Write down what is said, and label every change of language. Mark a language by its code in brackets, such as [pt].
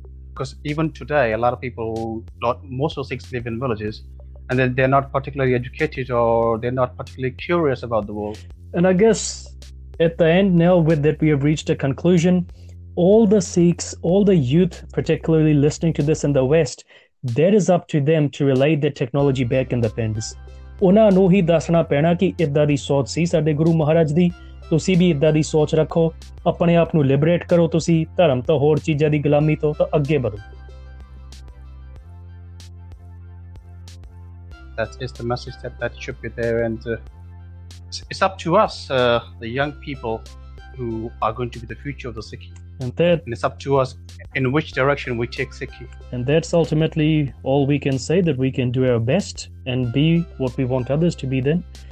[en] Because even today, a lot of people, most of Sikhs live in villages, and then they're not particularly educated or they're not particularly curious about the world. And I guess at the end now, with that, we have reached a conclusion. All the Sikhs, all the youth, particularly listening to this in the West, that is up to them to relay the technology back in the pens. [pa] ਉਹਨਾਂ ਨੂੰ ਹੀ ਦੱਸਣਾ ਪੈਣਾ ਕਿ ਇੱਦਾਂ ਦੀ ਸੋਚ ਸੀ ਸਾਡੇ ਗੁਰੂ ਮਹਾਰਾਜ ਦੀ, ਤੁਸੀਂ ਵੀ ਇੱਦਾਂ ਦੀ ਸੋਚ ਰੱਖੋ, ਆਪਣੇ ਆਪ ਨੂੰ ਲਿਬਰੇਟ ਕਰੋ, ਤੁਸੀਂ ਧਰਮ ਤੋਂ ਹੋਰ ਚੀਜ਼ਾਂ ਦੀ ਗੁਲਾਮੀ ਤੋਂ ਤਾਂ ਅੱਗੇ ਵਧੋ. [en] That is the message that should be there, and it's up to us, the young people who are going to be the future of the Sikhi. And it's up to us in which direction we take Sikhi. And that's ultimately all we can say, that we can do our best and be what we want others to be then.